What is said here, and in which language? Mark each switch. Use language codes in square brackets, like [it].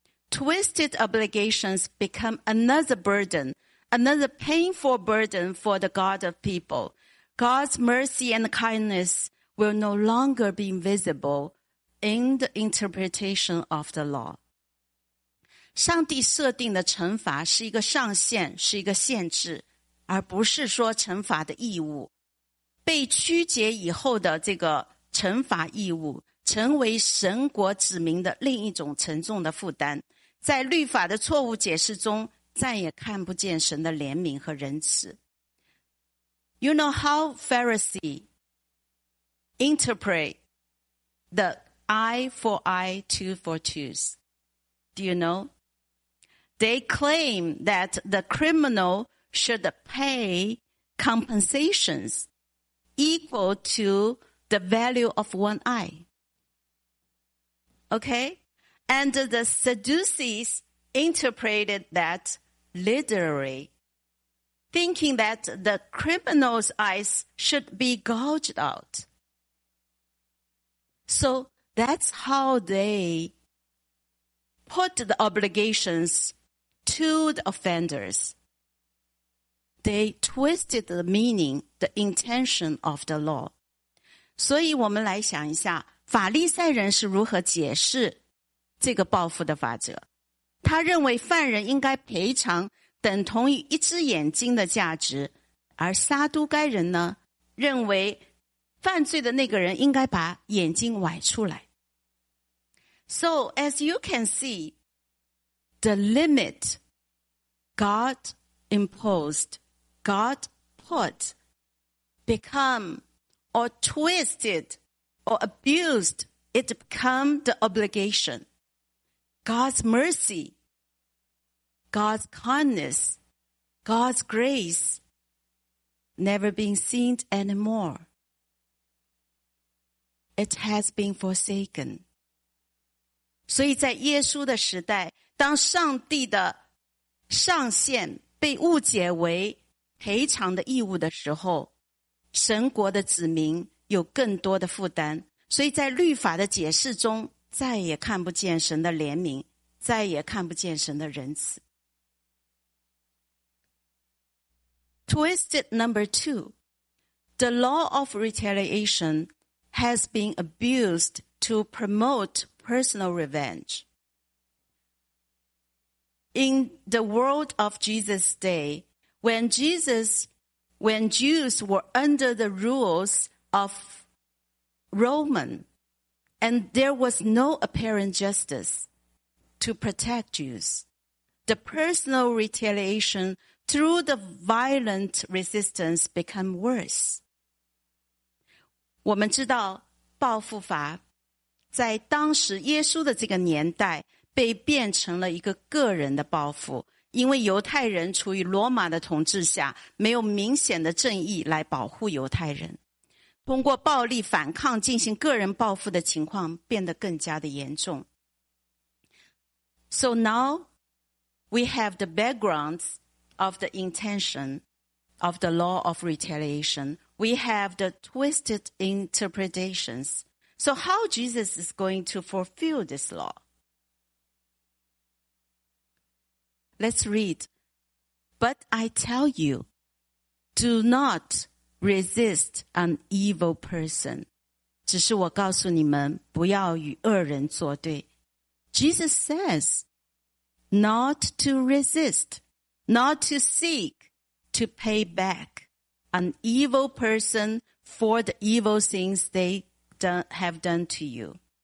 [en] Twisted obligations become another burden, another painful burden for the God of people. God's mercy and kindness will no longer be visible in the interpretation of the law. [zh] 上帝设定的惩罚是一个上限，是一个限制，而不是说惩罚的义务。被曲解以后的这个惩罚义务，成为神国子民的另一种沉重的负担。在律法的错误解释中，再也看不见神的怜悯和仁慈。 [en] You know how Pharisee interpret the eye for eye, tooth for tooth? Do you know? They claim that the criminal should pay compensations equal to the value of one eye. Okay? And the Sadducees interpreted that literally, thinking that the criminal's eyes should be gouged out. So that's how they put the obligations to the offenders. They twisted the meaning, the intention of the law. [zh] 所以我们来想一下，法利赛人是如何解释这个报复的法则。他认为犯人应该赔偿等同于一只眼睛的价值，而撒都该人呢，认为犯罪的那个人应该把眼睛崴出来。 [en] So as you can see, the limit God imposed, God put, become or twisted or abused, it become the obligationGod's mercy, God's kindness, God's grace, never been seen anymore. It has been forsaken. [zh] 所以在耶稣的时代，当上帝的上限被误解为赔偿的义务的时候，神国的子民有更多的负担，所以在律法的解释中再也看不见神的怜悯，再也看不见神的仁慈。 [en] Twisted number two, the law of retaliation has been abused to promote personal revenge. In the world of Jesus' day, when Jews were under the rules of Roman, and there was no apparent justice to protect Jews, the personal retaliation through the violent resistance became worse. [zh] 我们知道报复法在当时耶稣的这个年代被变成了一个个人的报复，因为犹太人处于罗马的统治下，没有明显的正义来保护犹太人，通过暴力反抗进行个人报复的情况变得更加的严重。 [en] So now we have the background of the intention of the law of retaliation. We have the twisted interpretations. So how Jesus is going to fulfill this law? Let's read. But I tell you, do notresist an evil person. [zh] 只是我告诉你们，不要与恶人作对。 [en] Jesus says, not to resist, not to seek to pay back an evil person for the evil things they have done to you.